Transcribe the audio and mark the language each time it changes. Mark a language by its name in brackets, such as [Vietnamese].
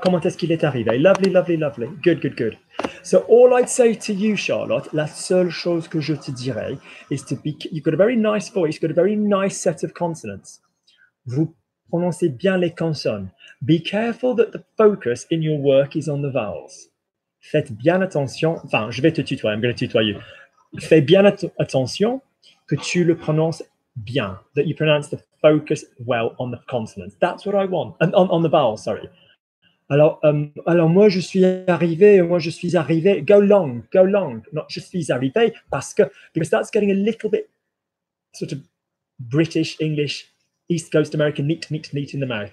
[French] Comment est-ce qu'il est arrivé? [English] Lovely, lovely, lovely. Good, good, good. So all I'd say to you, Charlotte, [French] la seule chose que je te dirais, [English] is to be... You've got a very nice voice. You've got a very nice set of consonants. [French] Vous prononcez bien les consonnes. [English] Be careful that the focus in your work is on the vowels. [French] Faites bien attention. Enfin, je vais te tutoyer. [English] I'm going to tutoy you. [French] Fais bien attention que tu le prononces bien. [English] That you pronounce the focus well on the consonants. That's what I want. On the vowels, sorry. [French] Alors, moi, je suis arrivé. Moi, je suis arrivé. [English] Go long. Go long. [French] Not je suis arrivé. Parce que, [English] because that's getting a little bit sort of British, English, East Coast American, neat, neat, neat in the mouth.